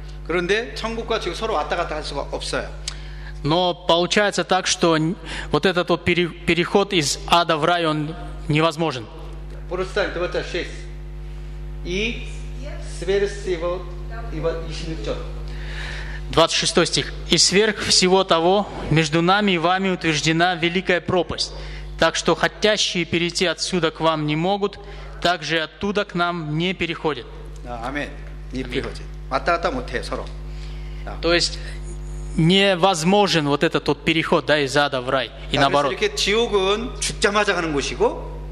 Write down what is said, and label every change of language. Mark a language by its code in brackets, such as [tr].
[ko] 그런데 천국과 지옥 서로 왔다 갔다 할 수가 없어요. [ru] Но получается так, что вот этот вот переход из ада в рай он невозможен. Просто это вот шесть и сверх всего его ищет. 26 стих. И сверх всего того между нами и вами утверждена великая пропасть. Так что хотящие перейти отсюда к вам не могут, так же оттуда к нам не переходят. Аминь. Не переходят. [ko] 왔다 갔다 못해요, 서로. [ru] То есть невозможен вот этот вот переход, да, из ада в рай. И наоборот. [ko] 이렇게 지옥은 죽자마자 가는 곳이고.